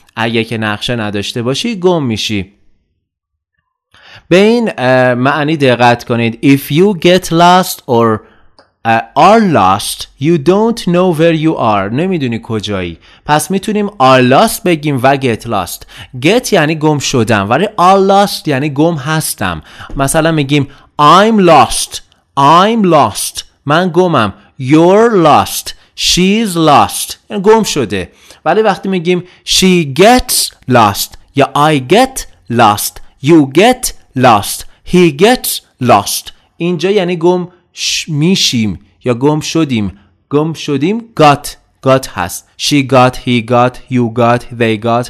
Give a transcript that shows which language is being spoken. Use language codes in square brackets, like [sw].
[fa] اگه که نقشه نداشته باشی گم میشی. به این معنی دقت کنید. [en] If you get lost or are lost, you don't know where you are. [fa] نمیدونی کجایی. پس میتونیم [en] are lost [fa] بگیم و [en] get lost. [fa] Get یعنی گم شدم، ولی [en] are lost [fa] یعنی گم هستم. مثلا میگیم [en] I'm lost. I'm lost. [fa] من گمم. [en] You're lost. She's lost. [fa] یعنی گم شده. ولی وقتی میگیم [en] she gets lost [fa] یا [en] I get lost. You get lost. He gets lost. [fa] اینجا یعنی گم میشیم یا گم شدیم. گم شدیم got هست. [en] She got, he got, you got, they got.